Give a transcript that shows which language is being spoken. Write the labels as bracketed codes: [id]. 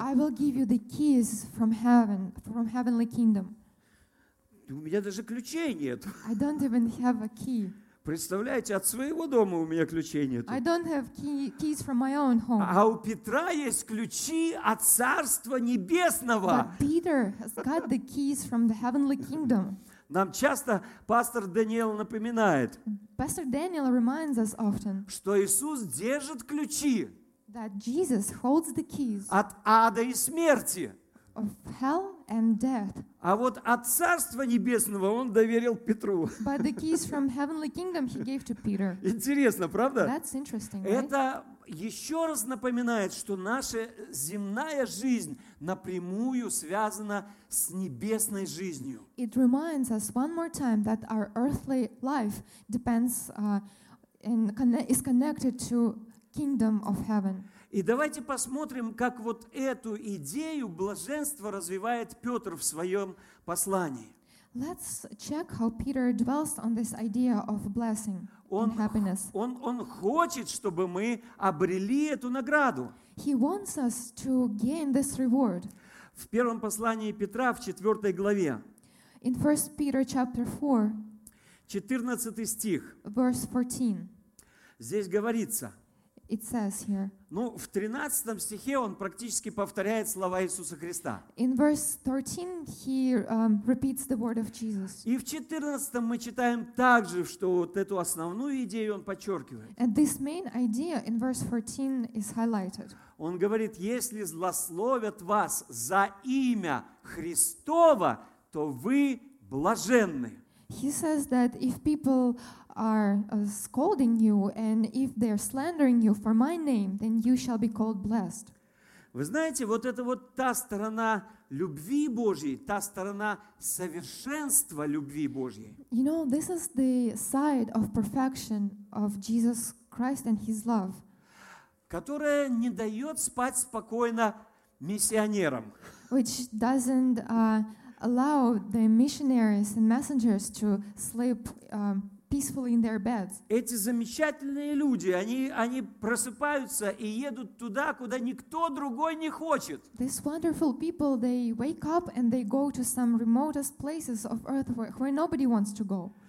[en] I will give you the keys from heaven, from heavenly kingdom. [ru] У меня даже ключей нет. [en] I don't even have a key. [ru] Представляете, от своего дома у меня ключей нет. [en] I don't have keys from my own home. [ru] А у Петра есть ключи от Царства Небесного. [en] But Peter has got the keys from the heavenly kingdom. [ru] Нам часто пастор Даниил напоминает, [en] Pastor Daniel reminds us often, [ru] что Иисус держит ключи [en] that Jesus holds the keys [ru] от ада и смерти. [en] Of hell and death. [ru] А вот от Царства Небесного он доверил Петру. [en] But the keys from heavenly kingdom he gave to Peter. [ru] Интересно, правда? [en] That's interesting, right? [ru] Это еще раз напоминает, что наша земная жизнь напрямую связана с небесной жизнью. [en] It reminds us one more time that our earthly life depends and is connected to kingdom of heaven. [ru] И давайте посмотрим, как вот эту идею блаженства развивает Петр в своем послании. [en] Let's check how Peter dwells on this idea of blessing and happiness. [ru] Он хочет, чтобы мы обрели эту награду. [en] He wants us to gain this reward. [ru] В первом послании Петра в 4 главе. [en] In 1 Peter chapter 4. [ru] 14 стих. [en] Verse 14. [ru] Здесь говорится. [en] It says here. [ru] Ну, в 13 стихе он практически повторяет слова Иисуса Христа. [en] In verse 13 he repeats the word of Jesus. [ru] И в 14 мы читаем также, что вот эту основную идею он подчеркивает. [en] And this main idea in verse 14 is highlighted. [ru] Он говорит: если злословят вас за имя Христово, то вы блаженны. [en] He says that if people are scolding you and if they're slandering you for my name, then you shall be called blessed. [ru] Вы знаете, вот это вот та сторона любви Божьей, та сторона совершенства любви Божьей. [en] You know, this is the side of perfection of Jesus Christ and his love, [ru] которая не дает спать спокойно миссионерам. [en] Which doesn't allow the missionaries and messengers to sleep peacefully in their beds. [ru] Эти замечательные люди, они просыпаются и едут туда, куда никто другой не хочет. [en] These wonderful people, they wake up and they go to some remotest places of earth where nobody wants to go.